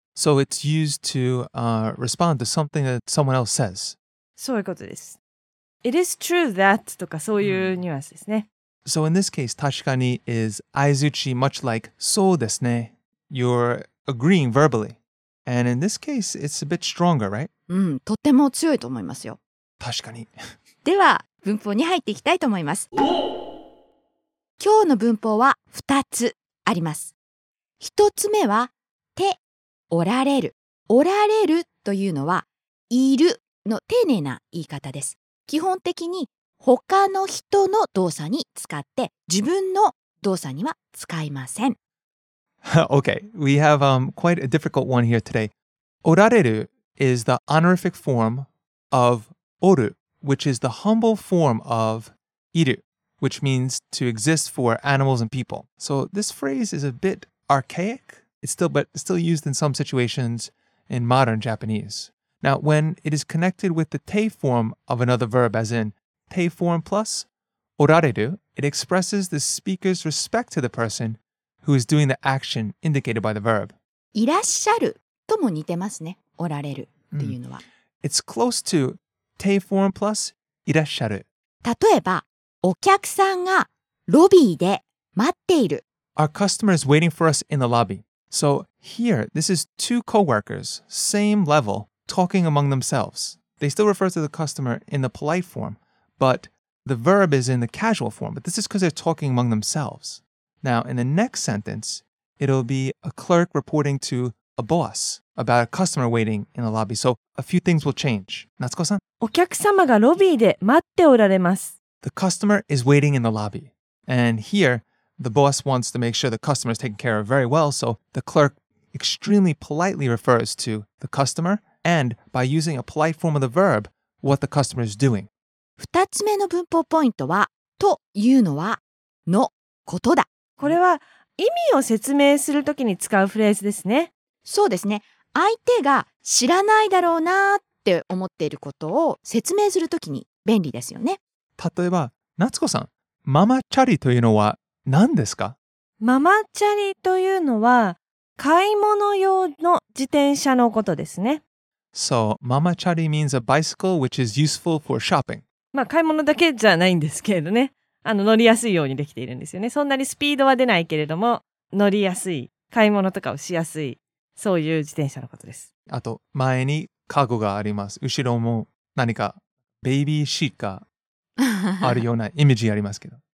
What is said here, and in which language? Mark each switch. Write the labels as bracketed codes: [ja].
[en] So it's used to respond to something that someone else says. [ja] そういうことです。 [en] It is true that [ja] とかそういうニュアンスですね。 [en] So in this case, 確かに is 相槌 much like [ja] そうですね。 [en] You're agreeing verbally. And in this case, it's a bit stronger, right? [ja] とても強いと思いますよ。確かに。では、文法に入っていきたいと思います。今日の文法は2つあります。 1つ目は、て、おられる。おられるというのは、いるの丁寧な言い方です。基本的に、他の人の動作に使って、自分の動作には使いません。 [en] Okay, we have quite a difficult one here today. おられる is the honorific form of おる, which is the humble form of いる, which means to exist for animals and people. So this phrase is a bit archaic, but it's still used in some situations in modern Japanese. Now, when it is connected with the te form of another verb, as in,te form plus orareru, it expresses the speaker's respect to the person who is doing the action indicated by the verb. [ja] いらっしゃるとも似てますね。おられるっていうのは。 [en] It's close to te form plus いらっしゃる。 [ja] 例えば、お客さんがロビーで待っている。 [en] Our customer is waiting for us in the lobby. So here, this is two co-workers, same level, talking among themselves. They still refer to the customer in the polite form. But the verb is in the casual form, but this is because they're talking among themselves. Now, in the next sentence, it'll be a clerk reporting to a boss about a customer waiting in the lobby. So a few things will change. Natsuko-san? [ja] お客様がロビーで待っておられます。 [en] The customer is waiting in the lobby. And here, the boss wants to make sure the customer is taken care of very well, so the clerk extremely politely refers to the customer and by using a polite form of the verb, what the customer is doing. [ja] 2つ目の文法ポイントは、というのは、のことだ。これは意味を説明するときに使うフレーズですね。そうですね。相手が知らないだろうなって思っていることを説明するときに便利ですよね。例えば、夏子さん、ママチャリというのは何ですか？ママチャリというのは、買い物用の自転車のことですね。 [en] So, ママチャリ means a bicycle which is useful for shopping. [ja] まあ、買い物だけじゃないんですけれどね。乗りやすいようにできているんですよね。そんなにスピードは出ないけれども、乗りやすい、買い物とかをしやすい、そういう自転車のことです。あと前にカゴがあります。後ろも何かベイビーシートがあるようなイメージありますけど